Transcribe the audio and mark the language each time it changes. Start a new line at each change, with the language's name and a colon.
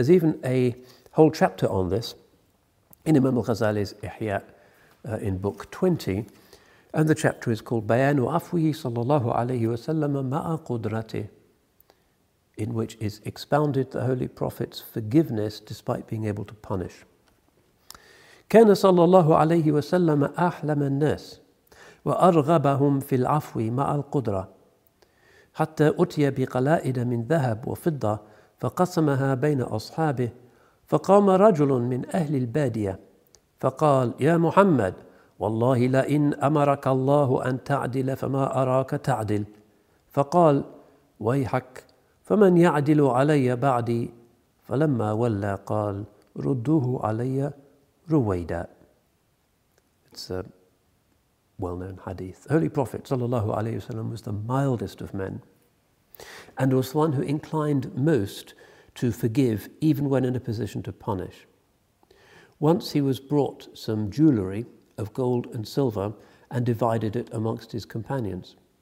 English: There's even a whole chapter on this in Imam al-Ghazali's Ihya in book 20. And the chapter is called Bayanu Afwihi sallallahu alayhi wasallam ma'a qudrati, in which is expounded the Holy Prophet's forgiveness despite being able to punish.
Arabic: كان صلى الله عليه وسلم أحلم الناس وأرغبهم في العفو مع القدرة حتى أتي بقلائد من ذهب وفضة فقسمها بين أصحابه فقام رجل من أهل البادية فقال يا محمد والله لئن أمرك الله أن تعدل فما أراك تعدل فقال ويحك فَمَنْ يَعْدِلُ عَلَيَّ بَعْدِي فَلَمَّا وَلَّا قَالْ رُدُّهُ عَلَيَّ رُوَيْدَ.
English: It's a well-known hadith. Holy Prophet sallallahu alayhi wasallam was the mildest of men and was the one who inclined most to forgive even when in a position to punish. Once he was brought some jewellery of gold and silver and divided it amongst his companions.